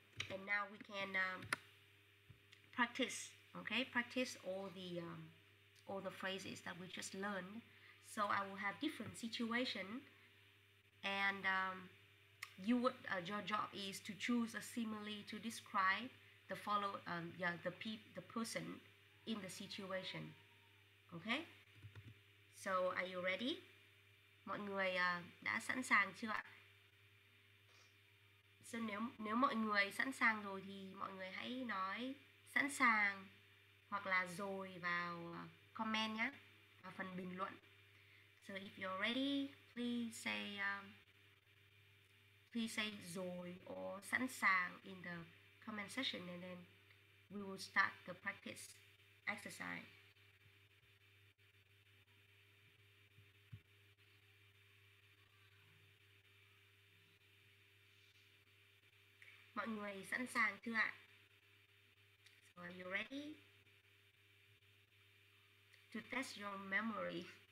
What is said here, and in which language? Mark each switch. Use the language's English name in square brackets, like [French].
[English] And now we can practice. Okay, practice all the phrases that we just learned. So I will have different situation, and your job is to choose a simile to describe the person in the situation. Okay, so are you ready? [Vietnamese] Mọi người đã sẵn sàng chưa ạ? So nếu mọi người sẵn sàng rồi thì mọi người hãy nói sẵn sàng hoặc là rồi vào comment nhé, vào phần bình luận. [English] So if you're ready, please say rồi or sẵn sàng in the comment section, and then we will start the practice exercise. [Vietnamese] Mọi người sẵn sàng chưa ạ? [English] So are you ready to test your memory?